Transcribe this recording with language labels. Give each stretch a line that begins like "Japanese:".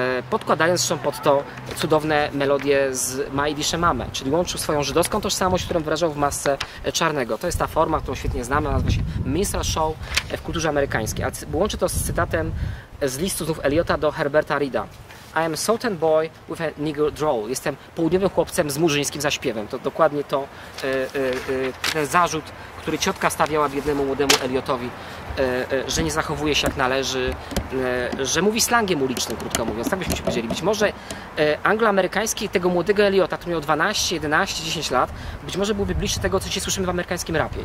Polish: Podkładając się pod to cudowne melodie z Majdisze Mamę, czyli łączył swoją żydowską tożsamość, którą wyrażał w masce czarnego. To jest ta forma, którą świetnie znamy, nazywa się minstrel show w kulturze amerykańskiej. A łączy to z cytatem z listu znów Eliota do Herberta Reeda.
English: I am a southern boy with a nigger drawl.
Polish: Jestem południowym chłopcem z murzyńskim zaśpiewem. To dokładnie to, ten zarzut, który ciotka stawiała biednemu młodemu Elliotowi, że nie zachowuje się jak należy, że mówi slangiem ulicznym, krótko mówiąc. Tak byśmy się powiedzieli. Być może angloamerykański tego młodego Elliota, który miał 12, 11, 10 lat, być może byłby bliższy tego, co dzisiaj słyszymy w amerykańskim rapie.